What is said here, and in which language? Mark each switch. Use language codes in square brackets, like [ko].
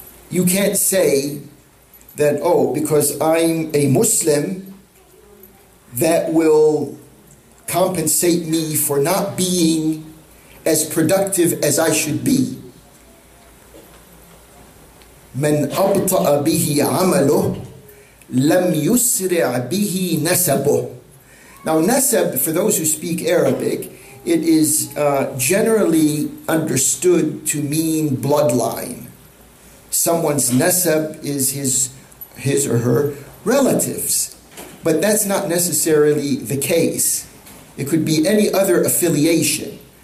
[en] You can't say that, oh, because I'm a Muslim, that will compensate me for not being as productive as I should be. [ar] من أبطأ به عمله لم يسرع به نسبه. [en] Now, nasab, for those who speak Arabic, it is generally understood to mean bloodline. Someone's nasab is his or her relatives. But that's not necessarily the case. It could be any other affiliation.